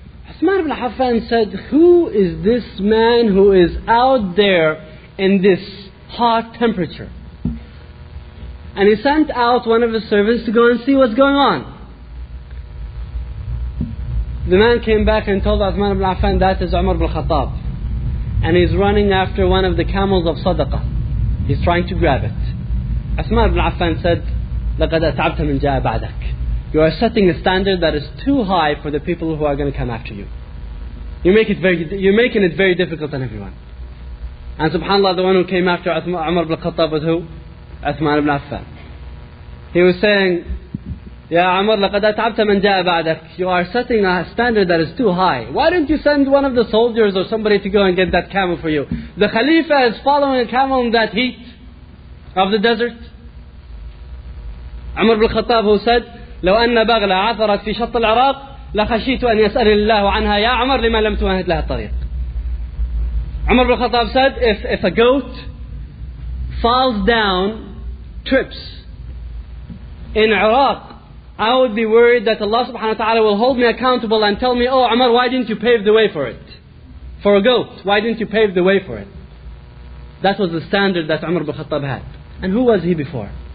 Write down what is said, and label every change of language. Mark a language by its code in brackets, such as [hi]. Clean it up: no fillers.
[en] Uthman ibn Affan said, who is this man who is out there in this hot temperature? And he sent out one of his servants to go and see what's going on. The man came back and told Uthman ibn Affan, that is Umar ibn Khattab. And he's running after one of the camels of Sadaqah. He's trying to grab it. Uthman ibn Affan said, [ar] لَقَدْ أَتْعَبْتَ مِنْ جَاءَ بَعْدَكَ. [en] You are setting a standard that is too high for the people who are going to come after you. You're making it very difficult on everyone. And subhanAllah, the one who came after Umar ibn Khattab was who? Uthman ibn Affan. He was saying, Ya Umar, [ar] لَقَدْ أَتْعَبْتَ مَنْ جَاءَ بَعْدَكَ. [en] You are setting a standard that is too high. Why don't you send one of the soldiers or somebody to go and get that camel for you? The Khalifa is following a camel in that heat of the desert. Umar bin Khattab who said, [ar] لَوْ أَنَّ بَغْلَ عَثَرَتْ فِي شَطِّ الْعَرَاقِ لَخَشِيتُ أَنْ يَسْأَلِ اللَّهُ عَنْهَا يَا عَمَرْ لِمَا لَمْ تُوَهِدْ لَهَا الطَّرِيقِ. [en] Umar bin Khattab said, if a goat falls down, trips in Iraq, I would be worried that Allah subhanahu wa ta'ala will hold me accountable and tell me, oh Umar, why didn't you pave the way for it? For a goat, why didn't you pave the way for it? That was the standard that Umar bin Khattab had. And who was he before?